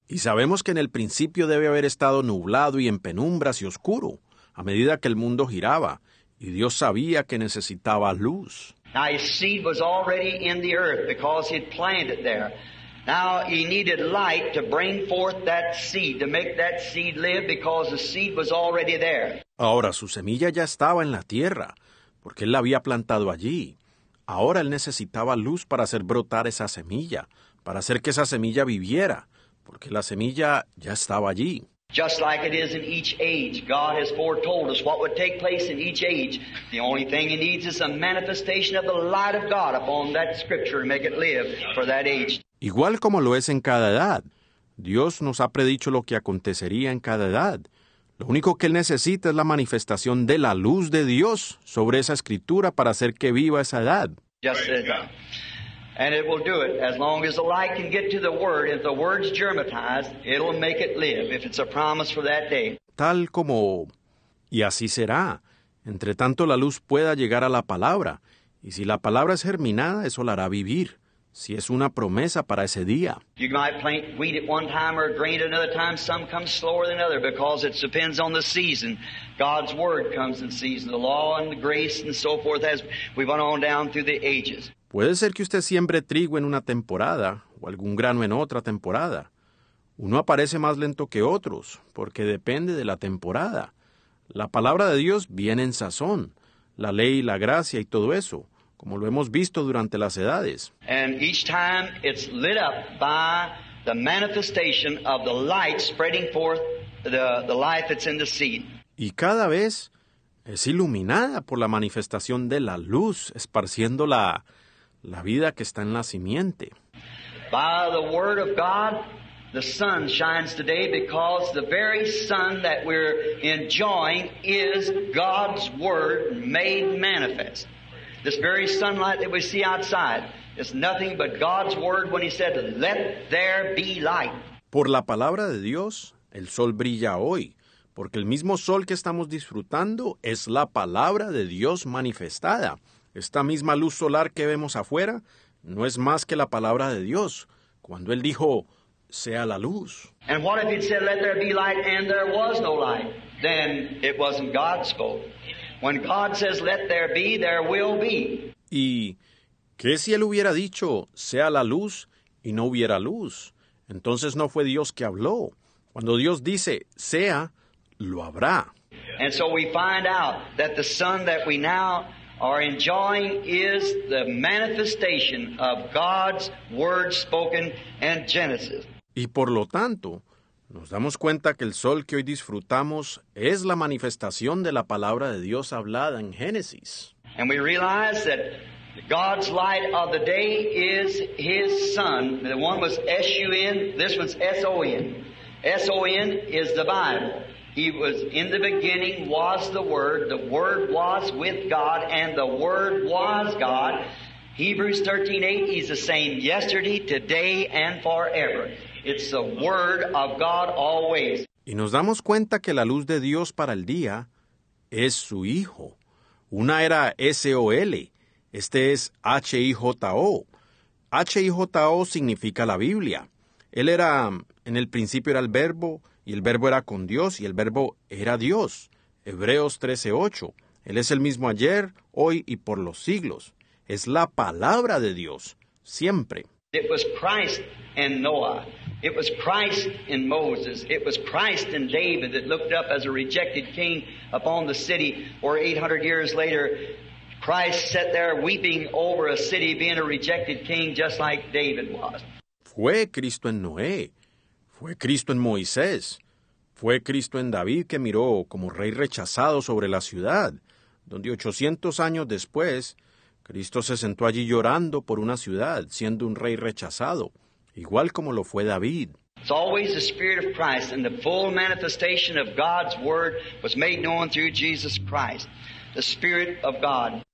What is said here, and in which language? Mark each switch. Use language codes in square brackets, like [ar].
[es] Y sabemos que en el principio debe haber estado nublado y en penumbras y oscuro, a medida que el mundo giraba, y Dios sabía que necesitaba luz. [en] Now his seed was already in the earth because he had planted it there. Now he needed light to bring forth that seed, to make that seed live because the seed was already there. [es] Ahora su semilla ya estaba en la tierra porque él la había plantado allí. Ahora él necesitaba luz para hacer brotar esa semilla, para hacer que esa semilla viviera, porque la semilla ya estaba allí. [en] Just like it is in each age, God has foretold us what would take place in each age. The only thing He needs is a manifestation of the light of God upon that scripture to make it live for that age. [es] Igual como lo es en cada edad, Dios nos ha predicho lo que acontecería en cada edad. Lo único que Él necesita es la manifestación de la luz de Dios sobre esa escritura para hacer que viva esa edad. [en] Just as God. And it will do it as long as the light can get to the word. If the word's germatized, it'll make it live if it's a promise for that day. [es] Tal como, y así será. Entre tanto la luz pueda llegar a la palabra. Y si la palabra es germinada, eso la hará vivir. Si es una promesa para ese día. [en] You might plant wheat at one time or grain at another time. Some come slower than other because it depends on the season. God's word comes in season. The law and the grace and so forth as we went on down through the ages. [es] Puede ser que usted siembre trigo en una temporada o algún grano en otra temporada. Uno aparece más lento que otros, porque depende de la temporada. La palabra de Dios viene en sazón, la ley, la gracia y todo eso, como lo hemos visto durante las edades. [en] And each time it's lit up by the manifestation of the light spreading forth the life that's in the seed. [es] Y cada vez es iluminada por la manifestación de la luz esparciendo la la vida que está en la simiente. [en] By the word of God, the sun shines today because the very sun that we're enjoying is God's word made manifest. This very sunlight that we see outside is nothing but God's word when He said, "Let there be light." [es] Por la palabra de Dios, el sol brilla hoy, porque el mismo sol que estamos disfrutando es la palabra de Dios manifestada. Esta misma luz solar que vemos afuera no es más que la palabra de Dios. Cuando Él dijo, sea la luz. [en] And what if it said, let there be light, and there was no light? Then it wasn't God's fault. When God says, let there be, there will be. [es] ¿Y qué si Él hubiera dicho, sea la luz, y no hubiera luz? Entonces no fue Dios que habló. Cuando Dios dice, sea, lo habrá. [en] And so we find out that the sun that we now are enjoying is the manifestation of God's word spoken in Genesis. [es] Y por lo tanto, nos damos cuenta que el sol que hoy disfrutamos es la manifestación de la palabra de Dios hablada en Génesis. [en] And we realize that God's light of the day is His Son. The one was S-U-N, this one's S-O-N. S-O-N is the Bible. He was in the beginning, was the Word was with God, and the Word was God. Hebrews 13:8, He's the same yesterday, today, and forever. It's the Word of God always. [es] Y nos damos cuenta que la luz de Dios para el día es su Hijo. Una era S-O-L, este es H-I-J-O. H-I-J-O significa la Biblia. Él era, en el principio era el Verbo, y el Verbo era con Dios, y el Verbo era Dios. Hebreos 13:8. Él es el mismo ayer, hoy y por los siglos. Es la palabra de Dios, siempre. [en] It was Christ in Noah. It was Christ in Moses. It was Christ in David that looked up as a rejected king upon the city, or 800 years later, Christ sat there weeping over a city being a rejected king just like David was. [es] Fue Cristo en Noé. Fue Cristo en Moisés. Fue Cristo en David que miró como rey rechazado sobre la ciudad, donde 800 años después, Cristo se sentó allí llorando por una ciudad, siendo un rey rechazado, igual como lo fue David. [en] It's always the Spirit of Christ, and the full manifestation of God's Word was made known through Jesus Christ, the Spirit of God.